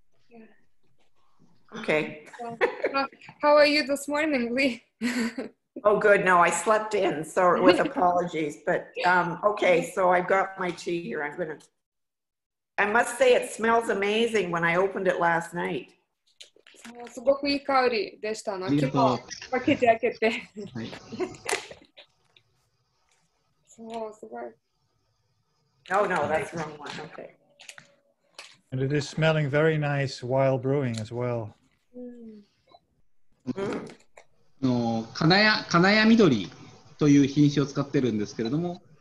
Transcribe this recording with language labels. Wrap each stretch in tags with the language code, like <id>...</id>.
<en>Yeah. Okay. How are you this morning, Lee? Oh, good. No, I slept in, so with apologies. But okay, so I've got my tea here. I must say it smells amazing when I opened it last night.</en> <ja>すごくいい香りでしたの。ちょっと開けて開けて。はい。そう、すごい。</ja> <en>Oh no, that's the wrong one. Okay. And it is smelling very nice while brewing as well.</en> <ja>の、金谷緑という品種を使ってるんですけれども。</ja>